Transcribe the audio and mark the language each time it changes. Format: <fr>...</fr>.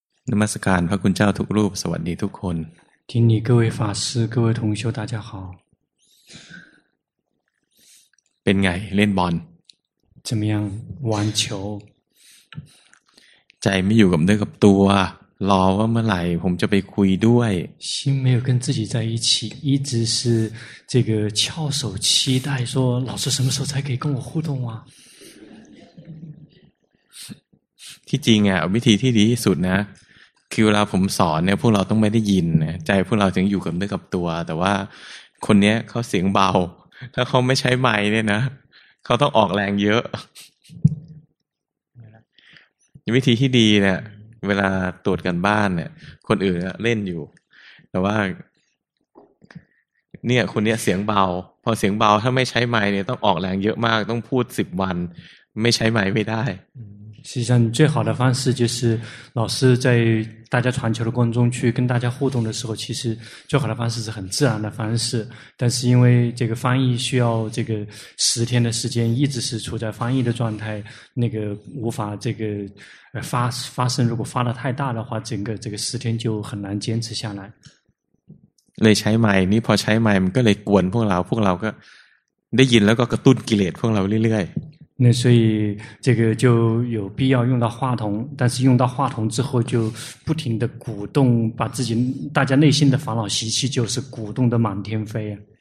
<th>นมัสการพระคุณเจ้าทุกรูปสวัสดีทุกคน ที่นี่</th> <zh>各位法师各位同修大家好</zh> <th>เป็นไงเล่นบอล</th> <zh>怎么样玩球</zh> <th>ใจไม่อยู่กับเนื้อกับตัวรอว่าเมื่อไหร่ผมจะไปคุยด้วย</th> <zh>心没有跟自己在一起一直是这个翘首期待说老师什么时候才可以跟我互动啊</zh> <th>ที่จริงอ่ะวิธีที่ดีที่สุดนะคือเวลาผมสอนเนี่ยพวกเราต้องไม่ได้ยินใจพวกเราถึงอยู่กับเนื้อกับตัวแต่ว่าคนเนี้ยเขาเสียงเบาถ้าเขาไม่ใช้ไมค์เนี่ยนะเขาต้องออกแรงเยอะวิธีที่ดีเนี่ยเวลาตรวจกันบ้านเนี่ยคนอื่นเล่นอยู่แต่ว่าเนี่ยคนเนี้ยเสียงเบาพอเสียงเบาถ้าไม่ใช้ไมค์เนี่ยต้องออกแรงเยอะมากต้องพูด10วันไม่ใช้ไมค์ไม่ได้</th> <zh>实际上最好的方式就是老师在大家传球的过程中去跟大家互动的时候其实最好的方式是很自然的方式但是因为这个翻译需要这个十天的时间一直是处在翻译的状态那个无法这个 发生如果发得太大的话整个这个十天就很难坚持下来</zh> <th>เลยใช้ไมค์นี่พอใช้ไมค์มันก็เลยกวนพวกเราพวกเราก็ได้ยินแล้วก็กระตุ้นกิเลสพวกเราเรื่อยๆ</th> <zh>那所以这个就有必要用到话筒但是用到话筒之后就不停的鼓动把自己大家内心的烦恼习气就是鼓动的满天飞</zh>